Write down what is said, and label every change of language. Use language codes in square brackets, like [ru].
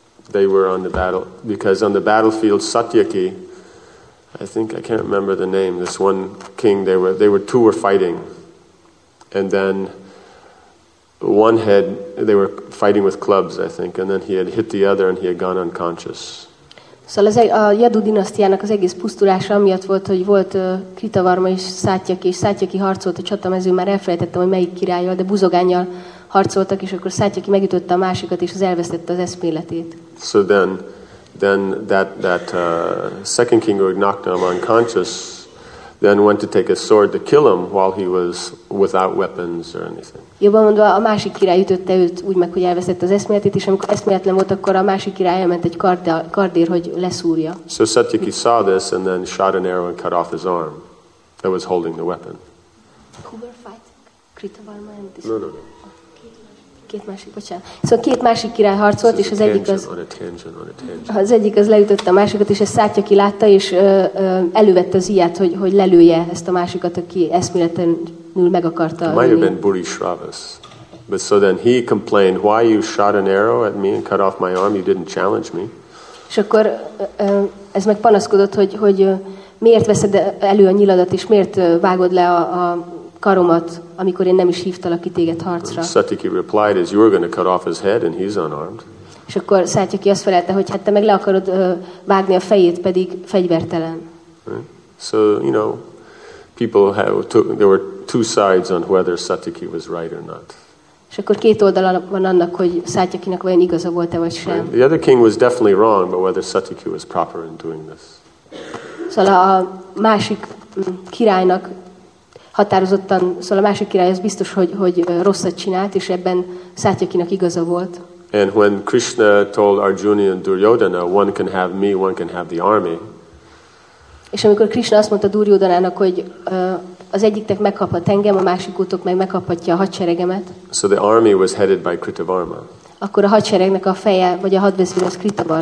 [en] They were on the battle, because on the battlefield, Satyaki, I think, I can't remember the name, this one king, two were fighting. And then one had, they were fighting with clubs, I think, and then he had hit the other and he had gone unconscious. [hu] Szóval ez a Yadu dinasztiának az egész pusztulása amiatt volt, hogy volt Krita Varma és Satyaki, és Satyaki harcolt a csatamezőn, már elfelejtettem, hogy melyik királlyal, de buzogánnyal harcoltak, és akkor Satyaki megütötte a másikat, és az elvesztette az eszméletét. [en] So then that second king who knocked him unconscious then went to take a sword to kill him while he was without weapons or anything. [hu] Jobban mondva, a másik király ütötte őt úgy meg, hogy elvesztette az eszméletét, és amikor eszméletlen volt, akkor a másik király elment egy kardér, hogy leszúrja. [en] So Satyaki saw this and then shot an arrow and cut off his arm that was holding the weapon. Who were fighting? Krita Varma and this? No. [hu] Két másik, bocsánat. Szóval két másik király harcolt, [en] so [hu] és az egyik az... [en] On a tangent. [hu] Az egyik az leütötte a másikat, és ezt Satyaki látta, és elővette az íját, hogy lelője ezt a másikat, aki eszméletlenül meg akarta... [en] It might have been Buri Shravas. But so then he complained, why you shot an arrow at me and cut off my arm, you didn't challenge me. [hu] És akkor ez meg panaszkodott, hogy miért veszed elő a nyiladat, és miért vágod le a karomat, amikor én nem is hívtalak ki téged harcra. [en] Satyaki replied, as you were going to cut off his head and he's unarmed. [hu] És akkor Satyaki azt felelte, hogy hát te meg le akarod vágni a fejét, pedig fegyvertelen. [en] Right. So, you know, people have there were two sides on whether Satyaki was right or not. [hu] És akkor két oldala van annak, hogy Satyakinak vajon igaza volt-e vagy sem. [en] The other king was definitely wrong, but whether Satyaki was proper in doing this. [hu] Szóval a másik királynak határozottan, szóval a másik király az biztos, hogy rosszat csinált, és ebben Satyakinak igaza volt. [en] And when Krishna told Arjuna and Duryodhana, one can have me, one can have the army. [hu] És amikor Krishna azt mondta Duryodhanának, hogy az egyiktek megkaphat engem, a másikotok meg megkaphatja a hadseregemet. [en] So the army was headed by Krita Varma. [hu] Akkor a hadseregnek a feje, vagy a hadvezér az Krita Varma